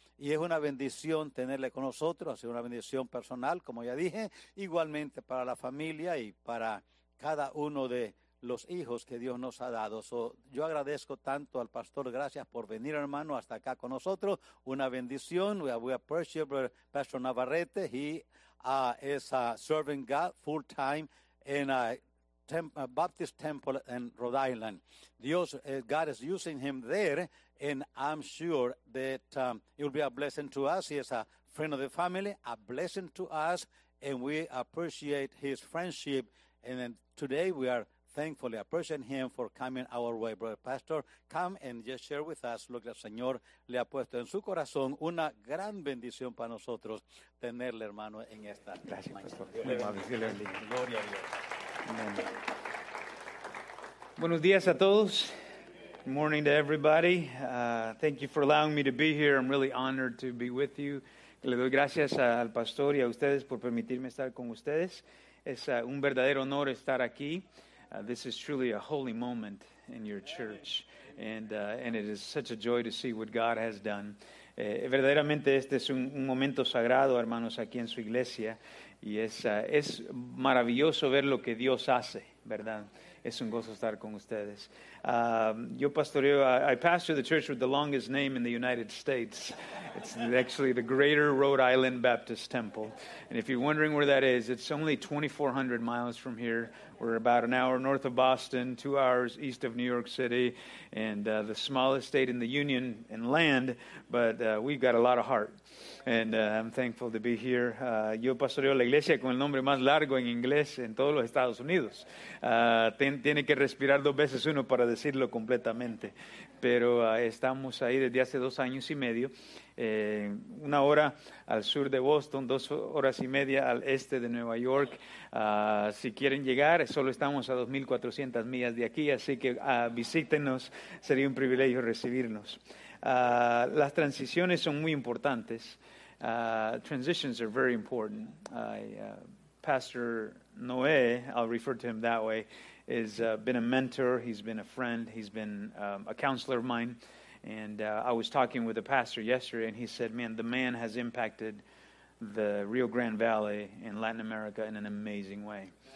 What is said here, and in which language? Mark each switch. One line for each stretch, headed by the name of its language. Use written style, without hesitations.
Spanish: Y es una bendición tenerle con nosotros. Ha sido una bendición personal, como ya dije, igualmente para la familia y para cada uno de los hijos que Dios nos ha dado. So, yo agradezco tanto al pastor. Gracias por venir, hermano, hasta acá con nosotros. Una bendición.
English: We appreciate Pastor Navarrete. He is serving God full time in a Baptist temple in Rhode Island. God is using him there, and I'm sure that it will be a blessing to us. He is a friend of the family, a blessing to us, and we appreciate his friendship. And then today we are thankfully appreciating him for coming our way. Brother Pastor, come and just share with us
Spanish: lo que el Señor le ha puesto en su corazón. Una gran bendición para nosotros tenerle, hermano, en esta mañana. Gracias, Pastor. Muy amable. Dios le bendiga. Gloria a Dios. Amen. Buenos días a todos.
English: Good morning to everybody. Thank you for allowing me to be here. I'm really honored to be with you.
Spanish: Le doy gracias al Pastor y a ustedes por permitirme estar con ustedes. Es un verdadero honor estar aquí. This is truly a holy moment in your church. And it is such a joy to see what God has done. Verdaderamente este es un momento sagrado, hermanos, aquí en su iglesia. Y es maravilloso ver lo que Dios hace, ¿verdad? Es un gozo estar con ustedes.
English: I pastor the church with the longest name in the United States. It's actually the Greater Rhode Island Baptist Temple. And if you're wondering where that is, it's only 2,400 miles from here. We're about an hour north of Boston, 2 hours east of New York City, and the smallest state in the Union in land, but we've got a lot of heart. And I'm thankful to be here.
Spanish: Yo pastoreo la iglesia con el nombre más largo en inglés en todos los Estados Unidos. Tiene que respirar dos veces uno para decirlo completamente. Pero estamos ahí desde hace 2 años y medio. Una hora al sur de Boston, 2 horas y media al este de Nueva York. Si quieren llegar, solo estamos a 2,400 millas de aquí. Así que visítenos, sería un privilegio recibirnos. Las transiciones son muy importantes.
English: Transitions are very important. Pastor Noé, I'll refer to him that way, has been a mentor, he's been a friend, he's been a counselor of mine. And I was talking with a pastor yesterday, and he said, man, the man has impacted the Rio Grande Valley in Latin America in an amazing way.